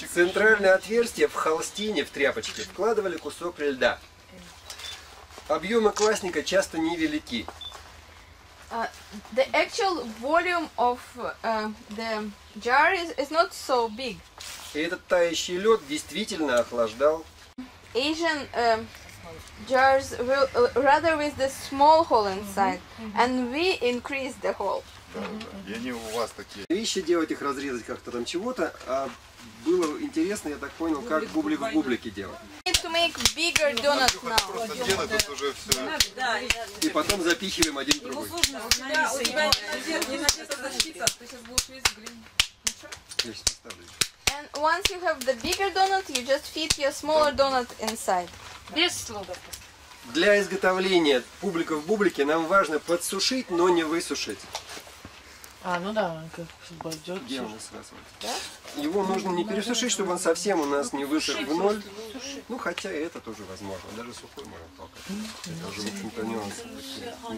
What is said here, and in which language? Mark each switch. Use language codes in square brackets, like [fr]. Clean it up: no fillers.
[ru] Центральное отверстие в холстине, в тряпочке, вкладывали кусок льда. Объемы квасника часто невелики. [en] The actual volume of the jar is not so big. [ru] И этот тающий лед действительно охлаждал. [en] Asian jars will rather with the small hole inside, and we increase the hole. [ru] Да, да. И они у вас такие. Вещи делать их, разрезать как-то там чего-то, а было интересно, я так понял, как бублик в бублике делать. [en] Need to make bigger donut now. [ru] Просто сделать, тут уже все. И потом запихиваем один в другой. Ему сложно. Да, у тебя не надета защита, ты сейчас будешь весь глин. Ну что? Я сейчас поставлю. [en] And once you have the bigger donut, you just fit your smaller donut inside. [ru] Без слога. Для изготовления бублика в бублике нам важно подсушить, но не высушить. А, ну да, он как обойдет. Где у нас раз? Его нужно не пересушить, чтобы он совсем у нас не высох в ноль. Ну, хотя и это тоже возможно. Даже сухой можно толкать. Это уже, в общем-то, нюансы такие.